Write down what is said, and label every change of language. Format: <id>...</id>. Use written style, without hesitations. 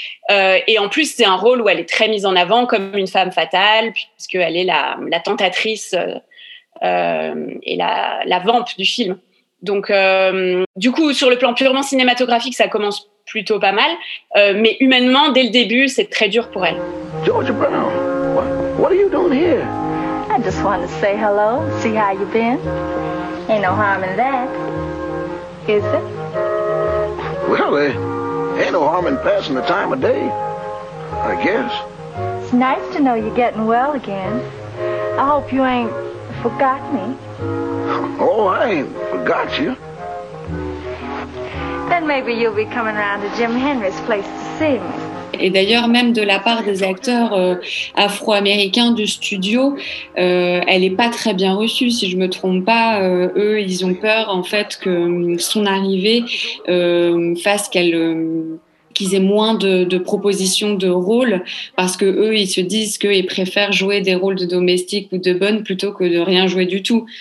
<fr>Et en plus, c'est un rôle où elle est très mise en avant comme une femme fatale, puisqu'elle est la tentatrice et la vamp du film. Donc, du coup, sur le plan purement cinématographique, ça commence plutôt pas mal. Mais humainement, dès le début, c'est très dur pour elle.</fr> <en>Georgia Brown, what are you doing here? I just wanted to say hello, see how you been. Ain't no harm in that, is it? Well, ain't no harm in passing the time of day, I guess. It's nice to know you're getting well again. I hope you ain't forgot me. Oh, I ain't forgot you. Then maybe you'll be coming around to Jim Henry's place to see me.</en> <fr>Et d'ailleurs, même de la part des acteurs afro-américains du studio, elle n'est pas très bien reçue, si je ne me trompe pas. Eux, ils ont peur, en fait, que son arrivée fasse qu'ils aient moins de propositions de rôles, parce qu'eux, ils se disent qu'ils préfèrent jouer des rôles de domestique ou de bonne plutôt que de rien jouer du tout.</fr>